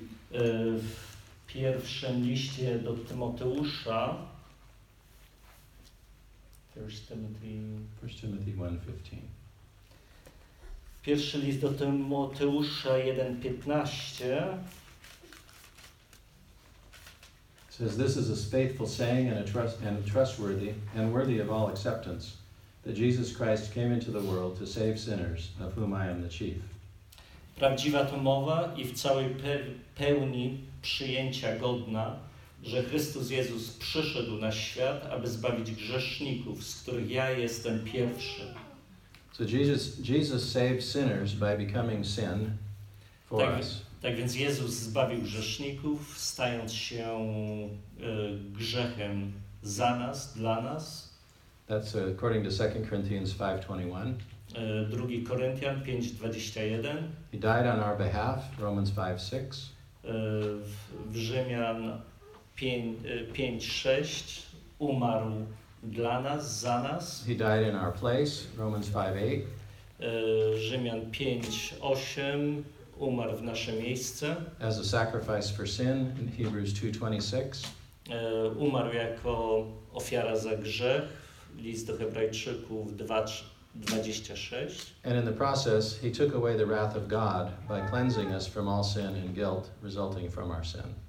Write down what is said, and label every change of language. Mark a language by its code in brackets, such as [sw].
[pl] w pierwszym liście do Tymoteusza, [en] 1 Timothy 1:15. [pl] Pierwszy list do Tymoteusza 1:15. [en] Says, this is a faithful saying and trustworthy and worthy of all acceptance, that Jesus Christ came into the world to save sinners, of whom I am the chief. [pl] Prawdziwa to mowa i w całej pełni przyjęcia godna, że Chrystus Jezus przyszedł na świat, aby zbawić grzeszników, z których ja jestem pierwszy. [en] So Jesus saved sinners by becoming sin for us. [pl] Tak więc Jezus zbawił grzeszników, stając się grzechem za nas, dla nas. [en] That's according to 2 Corinthians 5:21. [pl] Drugi Koryntian 5:21. [en] He died on our behalf, Romans 5:6. [pl] W Rzymian 5:6 umarł dla nas, za nas. [en] He died in our place, Romans 5:8. [pl] Rzymian 5:8 umarł w nasze miejsce. [en] As a sacrifice for sin, in Hebrews 2:26. [pl] Umarł jako ofiara za grzech, list do Hebrajczyków 2:26. [en] And in the process, he took away the wrath of God by cleansing us from all sin and guilt resulting from our sin.